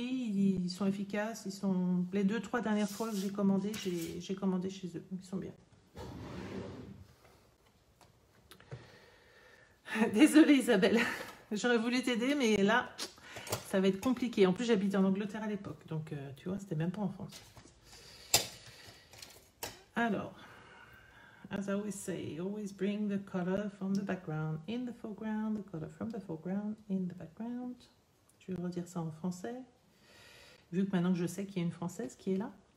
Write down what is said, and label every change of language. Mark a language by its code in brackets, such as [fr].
[fr] Ils sont efficaces. Ils sont... Les deux, trois dernières fois que j'ai commandé, j'ai commandé chez eux. Ils sont bien. Désolée, Isabelle. J'aurais voulu t'aider, mais là, ça va être compliqué. En plus, j'habitais en Angleterre à l'époque. Donc, tu vois, c'était même pas en France. Alors... [en] As I always say, always bring the color from the background in the foreground, the color from the foreground in the background. [fr] Je vais redire ça en français, vu que maintenant je sais qu'il y a une française qui est là.